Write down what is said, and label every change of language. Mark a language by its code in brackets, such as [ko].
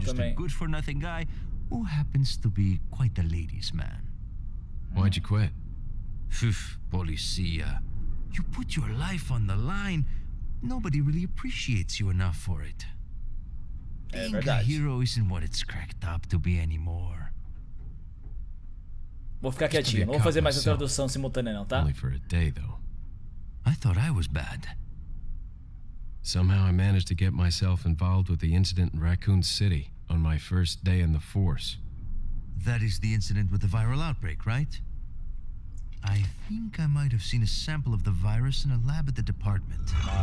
[en] just a good for nothing guy who happens to be quite a ladies man. Why'd you quit? [pt] Phew, policia. [en] You put your life on the line. Nobody really appreciates you enough for it. Being a hero isn't what it's cracked up to be anymore. [pt] Vou ficar quietinho, não vou fazer mais a tradução simultânea não, tá? [en] Only for a day, though. I thought I was bad. Somehow I managed to get myself involved with the incident in Raccoon City on my first day in the force. That is the incident with the viral outbreak, right? I think I might have seen a sample of the virus in a lab at the department.